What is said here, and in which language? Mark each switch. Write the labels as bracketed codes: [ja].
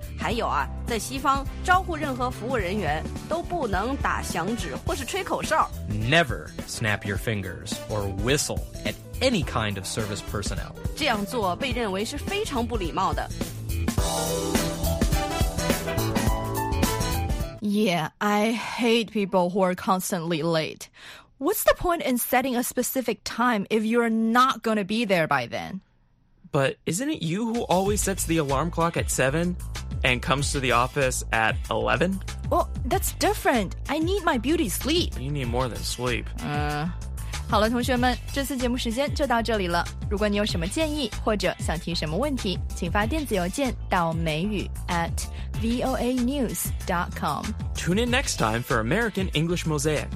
[zh] 还有啊，在西方，招呼任何服务人员都不能打响指或是吹口哨。 [en] Never snap your fingers or whistle at any kind of service personnel. [zh] 这样做被认为是非常不礼貌的。 [en] Yeah, I hate people who are constantly late. What's the point in setting a specific time if you're not going to be there by then? But isn't it you who always sets the alarm clock at 7 and comes to the office at 11? Well, that's different. I need my beauty sleep. You need more than sleep. [zh] 好了，同学们，这次节目时间就到这里了。如果你有什么建议或者想提什么问题，请发电子邮件到美语 @voanews.com. [en] Tune in next time for American English Mosaic.